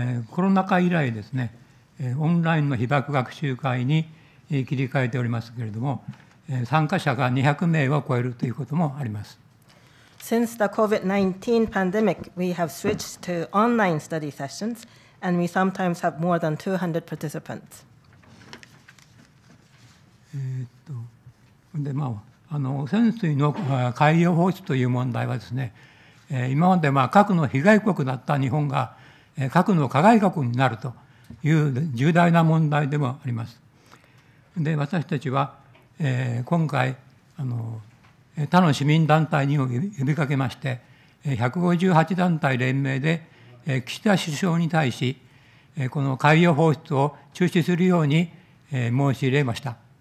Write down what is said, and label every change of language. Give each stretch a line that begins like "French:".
Japanese: コロナ禍以来ですね、オンラインの被爆学習会に切り替えておりますけれども、参加者が200名を超えるということもあります。
English: Since the COVID-19 pandemic, we have switched to online study sessions, and we sometimes have more than 200 participants.
Japanese: で、まあ、あの、汚染水の海洋放出という問題はですね、今まで、まあ、核の被害国だった日本が、核の加害国になるという重大な問題でもあります。で、私たちは、今回、あの、他の市民団体にも呼びかけまして、158団体連名で、岸田首相に対し、この海洋放出を中止するように申し入れました。